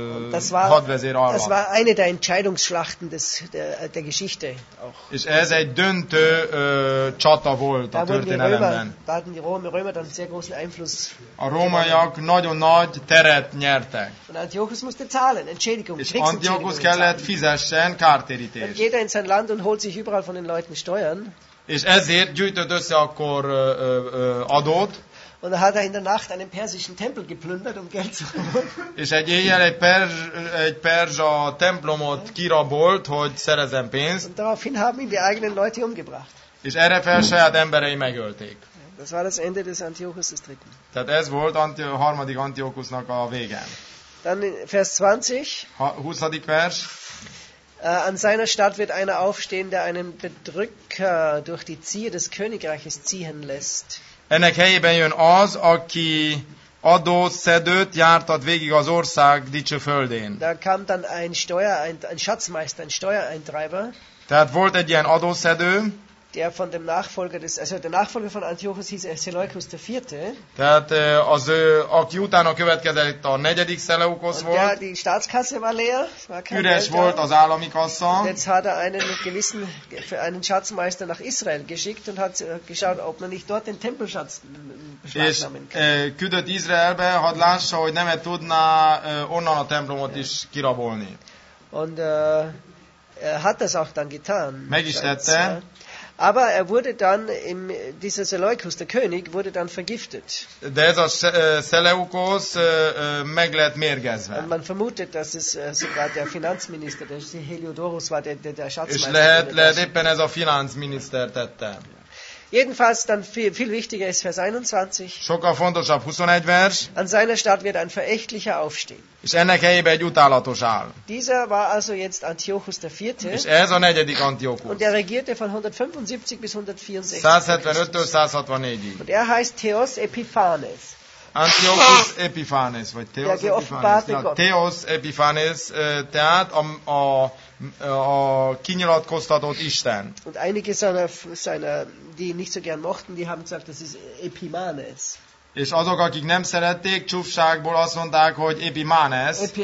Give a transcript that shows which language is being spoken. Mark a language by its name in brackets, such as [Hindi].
[German] Das war eine der Entscheidungsschlachten der Geschichte auch. [Hungarian] És ez egy döntő csata volt a történelemben. [German] Da hatten die Römer dann sehr großen Einfluss. [Hungarian] A rómaiak nagyon nagy teret nyertek. [German] Und Antiochus musste zahlen, Entschädigung. [Hungarian] És Antiochus kellett fizessen kártérítést. [German] Dann geht er in sein Land und holt sich überall von den Leuten Steuern. [Hungarian] És ezért gyűjtött össze akkor adót. [German] Und dann hat er in der Nacht einen persischen Tempel geplündert, um Geld zu holen. [Hungarian] És egy éjjel egy perzsa templomot kirabolt, hogy szerezzen pénzt. [German] Und daraufhin haben ihn die eigenen Leute umgebracht. [Hungarian] És erre fel saját emberei megölték. [German] Das war das Ende des Antiochus des Dritten. [Hungarian] Tehát ez volt harmadik Antiochusnak a vége. [German] Dann Vers 20. [Hungarian] 20. vers. [German] An seiner Stadt wird einer aufstehen, der einen Bedrücker durch die Zier des Königreiches ziehen lässt. [Hungarian] Ennek helyében jön az, aki adószedőt jártad végig az ország dicső földén. [German] Da kam dann ein Steuer, ein Schatzmeister, ein Steuereintreiber. [Hungarian] Tehát volt egy ilyen adószedő. [German] Der von dem Nachfolger des, also der Nachfolger von Antiochus hieß Seleukus der Vierte. [Hungarian] Tehát az ő, aki utána következett, a negyedik Seleukos volt. [German] Der, die Staatskasse war leer. War kein [Hungarian] üres [German] Geld [Hungarian] volt az állami kassa. [German] Jetzt hat er einen gewissen, für einen Schatzmeister nach Israel geschickt und hat geschaut, ob man nicht dort den Tempelschatz beschlagnahmen kann. [Hungarian] És küldött Izraelbe, hadd lássa, hogy nem-e tudná onnan a templomot is kirabolni. [German] Und er hat das auch dann getan. [Hungarian] Meg is tette. [German] Aber er wurde dann, im, dieser Seleukos, der König, wurde dann vergiftet. [Hungarian] De ez a Seleukos meg lett mérgezve. [German] Und man vermutet, dass es sogar der Finanzminister, der Heliodorus war, der Schatzmeister. [Hungarian] És lehet éppen ez a Finanzminister tette. [German] Jedenfalls dann viel wichtiger ist Vers 21. [Hungarian] Sokkal fontosabb 21 vers. [German] An seiner Stadt wird ein Verächtlicher aufstehen. [Hungarian] És ennek helyébe egy utálatos áll. [German] Dieser war also jetzt Antiochus der Vierte. [Hungarian] És ez a negyedik Antiochus. [German] Und er regierte von 175 bis 164. [Hungarian] 175-től 164-ig. [German] Und er heißt Theos Epiphanes. [Hungarian] Antiochus Epiphanes, vagy Theos Epiphanes. Ja, Theos Epiphanes, tehát a kinyilatkoztatott Isten. [German] Und einige seiner, die nicht so gern mochten, die haben gesagt, das ist Epimanes. [Hungarian] És azok, akik nem szerették, csúfságból azt mondták, hogy Epimanes.